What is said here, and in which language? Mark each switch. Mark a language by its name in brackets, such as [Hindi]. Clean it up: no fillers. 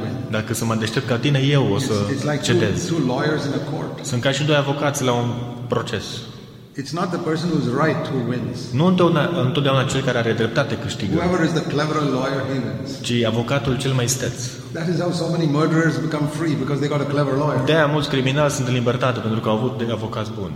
[Romanian] Dacă sunt mai deștept ca tine, eu o să cedez. Sunt ca și doi avocați la un proces. [English] It's not the person who's right who wins. [Romanian] Nu întotdeauna cel care are dreptate câștigă. [English] Whoever is the cleverer lawyer, he wins. [Romanian] Ci avocatul cel mai isteț. [English] That is how so many murderers become free because they got a clever lawyer. [Romanian] De-aia mulți criminali sunt în libertate pentru că au avut avocați buni.